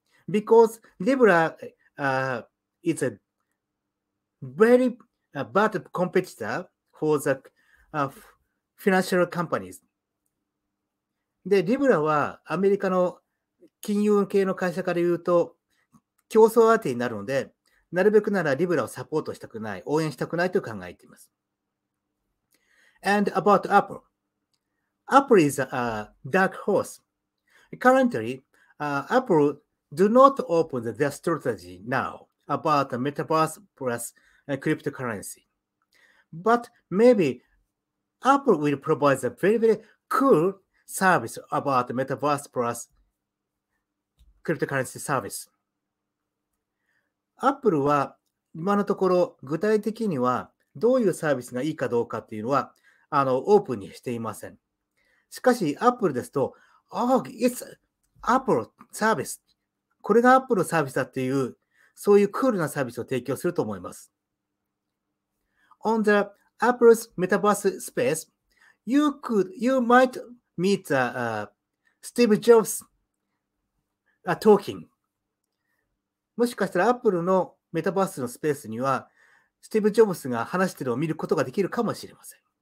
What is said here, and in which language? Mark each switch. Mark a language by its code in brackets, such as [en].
[en] Because Libra is a very bad competitor for the financial companies. [ja] で、Libra はアメリカの金融系の会社から言うと競争相手になるので、なるべくなら Libra をサポートしたくない、応援したくないと考えています。 [en] And about Apple. Apple is a dark horse. Currently, Appledo not open their strategy now about the metaverse plus cryptocurrency. But maybe Apple will provide a very, very cool service about the metaverse plus cryptocurrency service. [ja] Apple は今のところ具体的にはどういうサービスがいいかどうかっていうのはオープンにしていません。しかし Apple ですと、 [en] oh, it's Apple service. [ja] これがアップルのサービスだっていう、そういうクールなサービスを提供すると思います。 [en] On the Apple's Metaverse space, you might meet Steve Jobs talking. [ja] もしかしたらアップルのメタバースのスペースには、スティーブ・ジョブスが話しているのを見ることができるかもしれません。